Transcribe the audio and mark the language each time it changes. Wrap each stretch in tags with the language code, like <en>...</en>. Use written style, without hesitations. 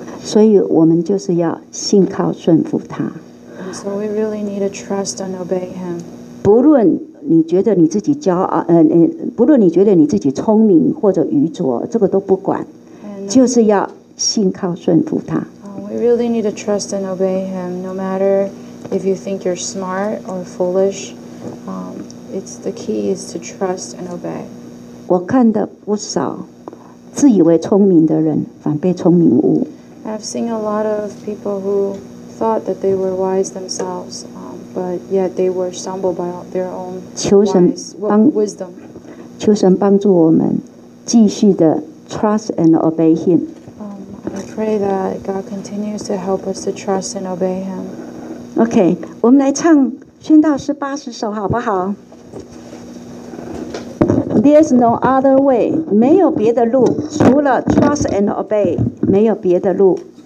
<zh>所以我们就是要信靠顺服他。</zh> <en>And so we really need to trust and obey him.</en> <zh>不论你觉得你自己骄傲，不论你觉得你自己聪明或者愚拙，这个都不管，就是要信靠顺服他。</zh> <en>We really need to trust and obey him, no matter if you think you're smart or foolish. It's the key is to trust and obey.</en> <zh>我看的不少自以为聪明的人反被聪明误。</zh> <en>I've seen a lot of people who thought that they were wise themselves, but yet they were stumbled by their own wisdom.</en> <zh>求神帮助我们继续的</zh> <en>trust and obey him. I pray that God continues to help us to trust and obey him.</en> <zh>Okay, 我们来唱宣道诗八十首好不好？</zh> <en>There's no other way,</en> <zh>没有别的路，除了</zh> <en>trust and obey,</en> <zh>没有别的路。</zh>